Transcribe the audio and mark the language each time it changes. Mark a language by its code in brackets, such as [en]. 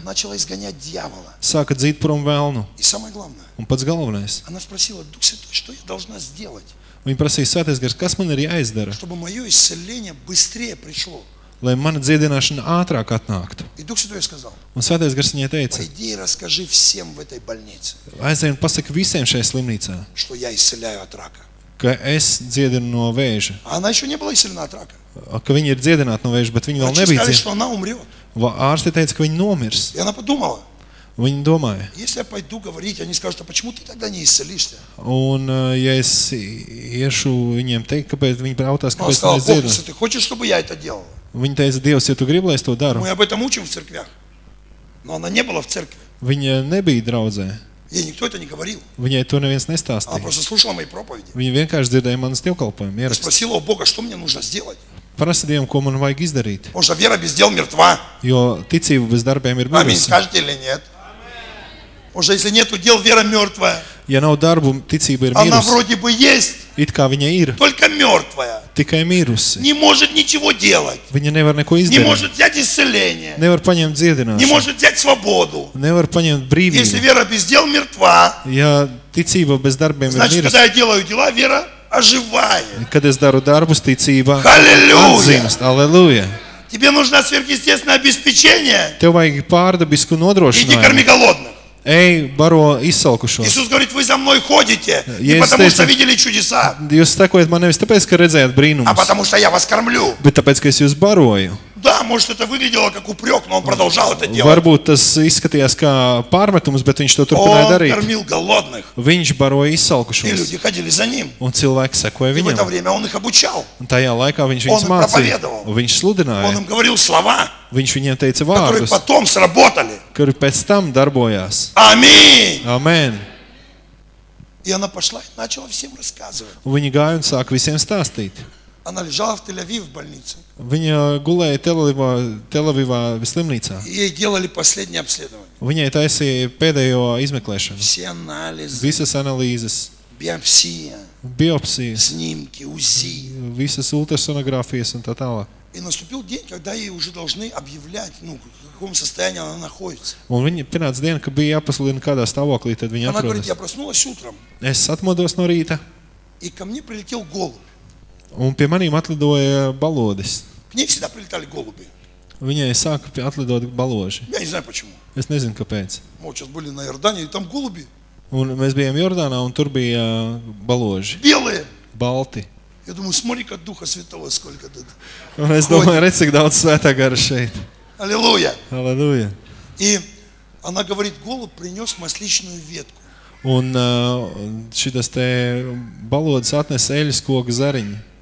[ru] Начала изгонять дьявола. [lv] Sāka dzīt prom velnu. [ru] И самое главное. [lv] Un pats galvenais. [ru] Она спросила, Дух Святой, что я должна сделать? [lv] Viņa prasīja, Svētais Gars, kas man ir jāizdara? [ru] Чтобы мое исцеление быстрее пришло. [lv] Lai mana dziedināšana ātrāk atnāktu. [ru] И Дух Святой сказал. [lv] Un Svētais Gars viņai teica. [ru] Пойди и расскажи всем в этой больнице. [lv] Aizej un pasaki visiem šajā slimnīcā. [ru] Что я исцеляю от рака. [lv] Ka es dziedinu no vēža. [ru] Она ещё не была исцелена от рака. [lv] Ka viņa ir dziedināta no vēža, bet viņa vēl nebija dziedināta. Ārsti teica, ka viņa nomirs. [ru] Я она подумала. [lv] Viņa domāja. [ru] Если я пойду говорить, они скажут, а почему ты тогда не исцелишься? [lv] Un ja es iešu viņiem teikt, kāpēc viņi prātās, kāpēc es nedziedinu. [ru] Ты хочешь, чтобы я это делала? [lv] Viņa teica, Dievs, ja tu gribi, lai es to daru. [ru] Мы об этом учим в церквях. Но она не была в церкви. [lv] Viņa nebija draudzē. [ru] Ei, никто это не говорил. [lv] Viņai to neviens nestāstīja. [ru] Она просто слушала мои проповеди. [lv] Viņa vienkārši dzirdēja manas dievkalpojumus. [ru] Я спросил у Бога, что мне нужно сделать? [lv] Prasa Dievam, ko man vajag izdarīt. [ru] Уже вера без дел мертва. [lv] Jo ticība bez darbiem ir mirusi. [ru] Аминь, скажите или нет? Уже если нету дел, вера мёртвая. [lv] Ja nav darbu, ticība ir mirusi. [ru] Она вроде бы есть. [lv] It kā viņa ir. [ru] Только мёртвая. [lv] Tikai mirusi. [ru] Не может ничего делать. [lv] Viņa nevar neko izdarīt. [ru] Не может взять исцеление. [lv] Nevar paņemt dziedināšanu. [ru] Не может взять свободу. [lv] Nevar paņemt brīvību. [ru] Если вера без дел мертва. [lv] Ja ticība bez darbiem ir [ru] Значит, когда я делаю дела, вера оживает. [lv] Kad es daru darbus, ticība. Halleluja. Halleluja. [ru] Тебе нужно сверхъестественное обеспечение. [lv] Tev vajag pārdabisku nodrošinājumu. [ru] Иди корми голодных. [lv] Ei, baro izsalkušos. [ru] Jēzus говорит, вы за мной ходите, не потому что видели чудеса. [lv] Jūs sakojat man nevis tāpēc, ka redzējāt brīnumus. [ru] А потому что я вас кормлю. [lv] Bet tāpēc, ka es jūs baroju. [ru] Да, может это выглядело как упрёк, но он продолжал это делать. [lv] Varbūt tas izskatījās kā pārmetums, bet viņš to turpināja darīt. [ru] Он кормил голодных. [lv] Viņš baroja izsalkušos. [ru] И люди ходили за ним. [lv] Un cilvēki sekoja viņam. [ru] В это время он их обучал. [lv] Un tajā laikā viņš viņus mācīja. Viņš sludināja. [ru] Он им говорил слова. [lv] Viņš viņiem teica vārdus, [ru] которые потом сработали. [lv] Kuri pēc tam darbojās. [ru] Аминь. [lv] Amen. [ru] И она пошла и начала всем рассказывать. [lv] Viņa gāja un sāka visiem stāstīt. [ru] Она лежала в Тель-Авив в больнице. [lv] Viņa gulēja Tel-Avivā slimnīcā. [ru] Ей делали последнее обследование. [lv] Viņai taisīja pēdējo izmeklēšanu. [ru] Все анализы. [lv] Visas analīzes. Biopsija. Biopsija. [ru] Снимки, УЗИ. [lv] Visas ultrasonografijas un tā tālāk. [ru] И наступил день, когда ей уже должны объявлять, ну, в каком состоянии она находится. [lv] Un viņa pienāca diena, kad bija jāpasludina, kādā stāvoklī tad viņa atrodas. [ru] Она говорит, я проснулась утром. [lv] Es atmodos no rīta. [ru] И ко мне прилетел голубь. [lv] Un pie manīm atlidoja balodis. Viņai visi tā [ru] prilitāli golubi. [lv] Viņai sāka atlidot baloži. [ru] Я не знаю, почему. [lv] Es nezinu, kāpēc. [ru] Мы сейчас были на Иордане, и там голуби. [lv] Un mēs bijām Jordānā, un tur bija baloži. [ru] Белые. [lv] Balti. [ru] Я думаю, смотри, как Духа Святого, сколько тут. [lv] Un es domāju, redz, cik daudz Svētā Gara šeit. [ru] Аллилуйя. Аллилуйя. И она говорит, голубь принес масличную ветку. [lv] Un šitas te balodis atnesa eļas koka zariņu.